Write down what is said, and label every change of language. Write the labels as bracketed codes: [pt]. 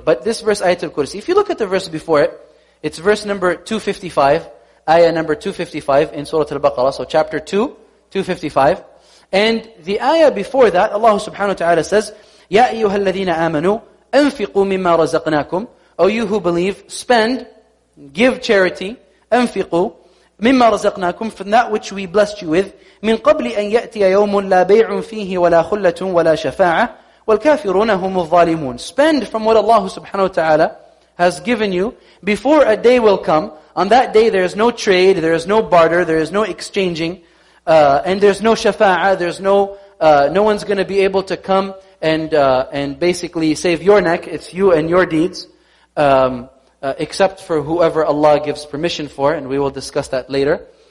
[en] But this verse, Ayatul Kursi, if you look at the verse before it, it's verse number 255, ayah number 255 in Surah Al-Baqarah, so chapter 2, 255. And the ayah before that, Allah subhanahu wa ta'ala says, [ar] يَا أَيُّهَا الَّذِينَ آمَنُوا أَنْفِقُوا مِمَّا رَزَقْنَاكُمْ. [en] O you who believe, spend Give charity. [ar] أنفقوا مما رزقناكم [en] from that which we blessed you with. [ar] من قبل أن يأتي يوم لا بيع فيه ولا خلة ولا شفاعة والكافرون هم الظالمون. [en] Spend from what Allah subhanahu wa ta'ala has given you before a day will come. On that day there is no trade, there is no barter, there is no exchanging, and there's no shafa'ah, there's no no one's going to be able to come and basically save your neck, it's you and your deeds, except for whoever Allah gives permission for, and we will discuss that later.